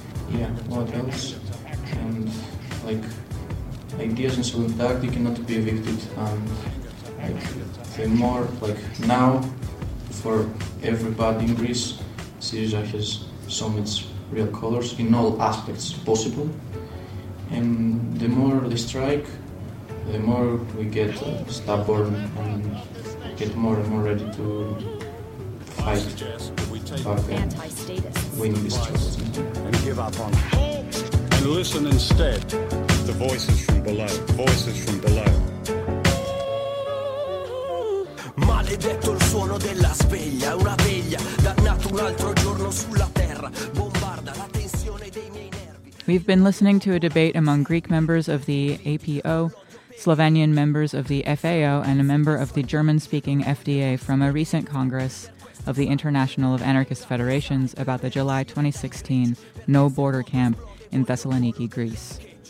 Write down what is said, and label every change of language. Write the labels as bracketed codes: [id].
[en] Yeah, what else? And like ideas and solidarity cannot be evicted, and like the more, like now, for everybody in Greece, Syriza has shown its real colors in all aspects possible, and the more they strike, the more we get stubborn and get more and more ready to fight back and win this struggle. And give up on hope and listen instead to the voices from below. Voices from below. [it] Maledetto il suono della sveglia, una veglia dannata un altro giorno sulla terra. Bombarda la tensione dei miei nervi. [en] We've been listening to a debate among Greek members of the APO, Slovenian members of the FAO, and a member of the German-speaking FDA from a recent Congress of the International of Anarchist Federations about the July 2016 No Border Camp in Thessaloniki, Greece.